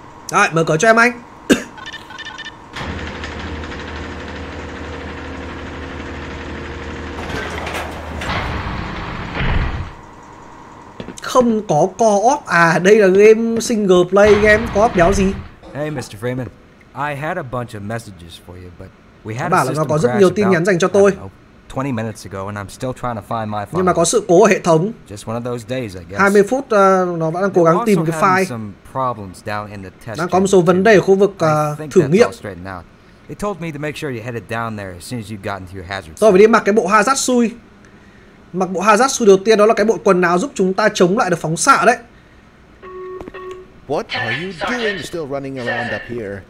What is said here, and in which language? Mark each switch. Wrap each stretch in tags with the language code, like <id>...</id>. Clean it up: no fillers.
<vi>Rồi, mở cửa cho em anh. Không có co-op à, đây là game single play, game co-op đéo gì.</vi> <en>Hey Mr. Freeman, I had a bunch of messages for you, but we had a system crash about 20 minutes ago and I'm still trying to find my file.</en> <vi>Nhưng mà có sự cố ở hệ thống.</vi> <en>Just one of those days, I guess.</en> <vi>20 phút nó vẫn đang cố gắng tìm cái file.</vi> <en>Some problems down in the test.</en> <vi>Đang có một số vấn đề ở khu vực thử nghiệm.</vi> <en>They told me to make sure you headed down there as soon as you got into your hazard.</en> <vi>Tôi phải đi mặc cái bộ hazard suit. Mặc bộ hazard suit đầu tiên đó là cái bộ quần áo giúp chúng ta chống lại được phóng xạ đấy.</vi> <en>What are you doing still running around up here?</en>